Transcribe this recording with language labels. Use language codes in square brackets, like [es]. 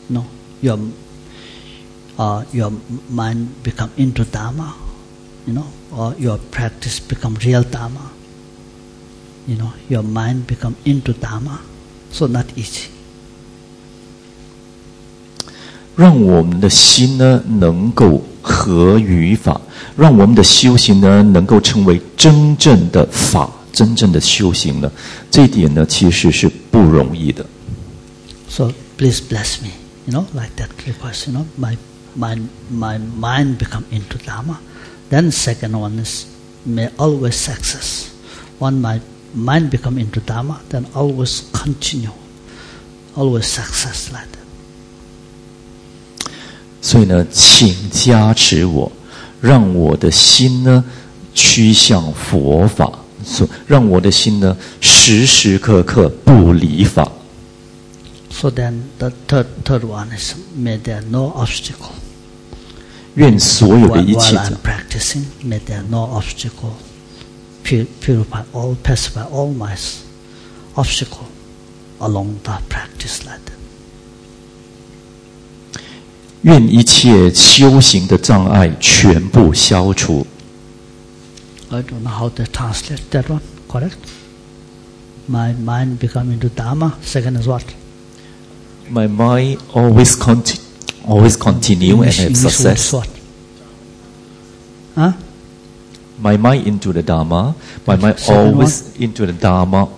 [en] No, your mind become into Dharma, you know, or your practice become real Dharma, you know, your mind become into Dharma, so not easy. [zh] 让我们的心呢能够合于法，让我们的修行呢能够成为真正的法，真正的修行呢，这一点呢其实是不容易的。 [en] So please bless me, you know, like that request, you know, my mind become into Dharma. Then second one is may always success. When my mind become into Dharma, then always continue, always success like that. [zh] 所以呢，请加持我，让我的心呢趋向佛法，让我的心呢时时刻刻不离法。 [en] So then the third one is may there no obstacle. [zh] 愿所有的一切 [en] while I'm practicing, may there no obstacle purify all, pacify all my obstacle along the practice like that. [zh] 愿一切修行的障碍全部消除。 [en] I don't know how to translate that one. Correct? My mind become into Dhamma. Second is what? My mind always continue and have success. What? Huh? My mind into the Dhamma. My mind always into the Dhamma.